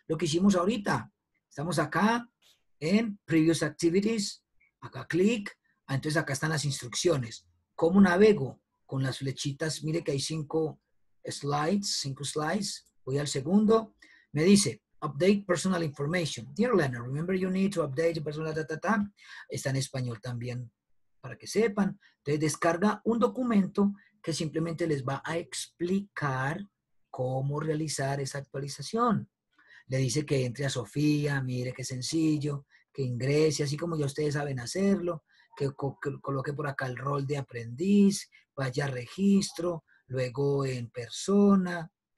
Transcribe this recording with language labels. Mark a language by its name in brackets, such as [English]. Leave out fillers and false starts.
[Spanish] Lo que hicimos ahorita, estamos acá en Previous Activities, acá clic, entonces acá están las instrucciones. ¿Cómo navego? Con las flechitas, mire que hay 5 slides, voy al segundo. Me dice, [English] update personal information. Dear learner, remember you need to update your personal data. [Spanish] Está en español también, para que sepan. Entonces, descarga un documento que simplemente les va a explicar cómo realizar esa actualización. Le dice que entre a Sofía, mire qué sencillo, que ingrese, así como ya ustedes saben hacerlo, que coloque por acá el rol de aprendiz, vaya a registro, luego en persona.